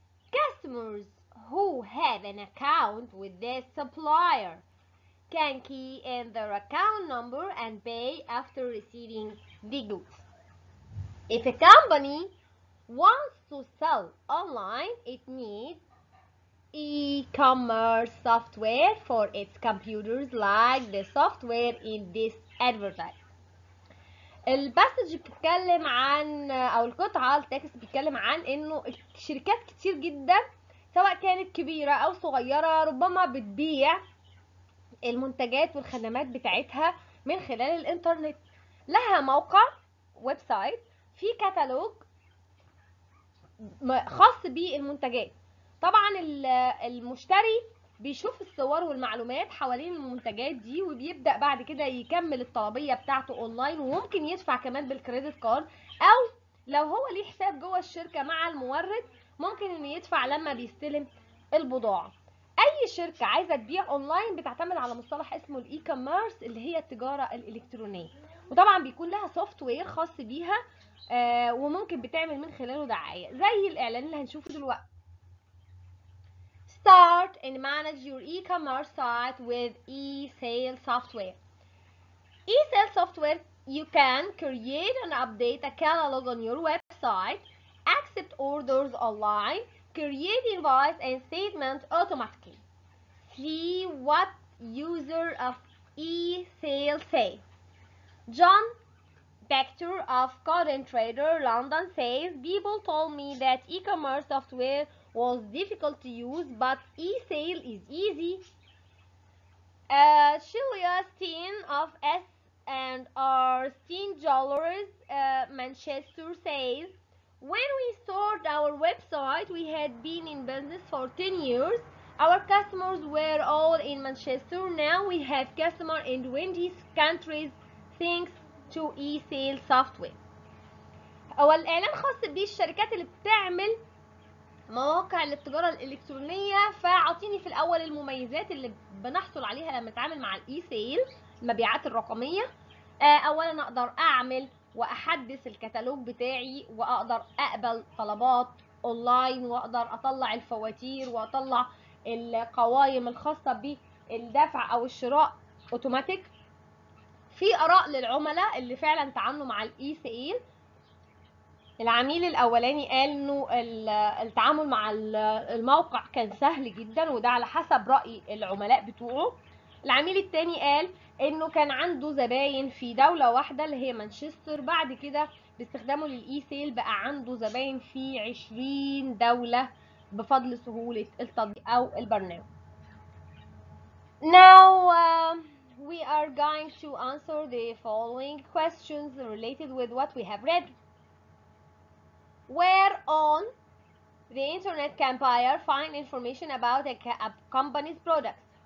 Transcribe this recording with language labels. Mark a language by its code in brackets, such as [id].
[en] Customers who have an account with their supplier can key in their account number and pay after receiving the goods. If a company wants to sell online, it needs e-commerce software for its computers, like the software in this advertise. [ar] الباسج بيتكلم عن او القطعة التكست بيتكلم عن انه شركات كتير جدا سواء كانت كبيرة او صغيرة ربما بتبيع المنتجات والخدمات بتاعتها من خلال الانترنت. لها موقع ويب سايت في كتالوج خاص بالمنتجات. طبعا المشتري بيشوف الصور والمعلومات حوالين المنتجات دي وبيبدأ بعد كده يكمل الطلبية بتاعته اونلاين، وممكن يدفع كمان بالكريدت كارد، او لو هو ليه حساب جوه الشركة مع المورد ممكن انه يدفع لما بيستلم البضاعة. اي شركة عايزة تبيع اونلاين بتعتمد على مصطلح اسمه الاي كوميرس اللي هي التجارة الالكترونية، وطبعا بيكون لها سوفت وير خاص بيها وممكن بتعمل من خلاله دعاية زي الاعلان اللي هنشوفه دلوقتي. [en] Start and manage your e-commerce site with e-sale software. E-sale software, you can create and update a catalog on your website, accept orders online, create invoice and statements automatically. See what user of e-sale say. John Bector of Cotton Trader, London says, people told me that e-commerce software was difficult to use, but e-sale is easy. Shilia Steen of S&R Steen Jewelers, Manchester says, when we started our website, we had been in business for 10 years. Our customers were all in Manchester. Now we have customers in 20 countries thanks to e-sale software. [ar] هو الإعلان خاص بالشركات اللي بتعمل مواقع للتجارة الإلكترونية، فعطيني في الأول المميزات اللي بنحصل عليها لما نتعامل مع الإي-سيل المبيعات الرقمية. أولا أقدر أعمل وأحدث الكتالوج بتاعي، وأقدر أقبل طلبات أونلاين، وأقدر أطلع الفواتير وأطلع القوائم الخاصة بالدفع أو الشراء أوتوماتيك. في آراء للعملاء اللي فعلا تعاملوا مع الإي-سيل. العميل الاولاني قال انه التعامل مع الموقع كان سهل جدا، وده على حسب رأي العملاء بتوعه. العميل الثاني قال انه كان عنده زباين في دولة واحدة اللي هي مانشستر، بعد كده باستخدامه للإي سيل بقى عنده زباين في 20 دولة بفضل سهولة التطبيق او البرنامج. [en] Now we are going to answer the following questions related with what we have read. Where on the internet can buyer find information about a company's products?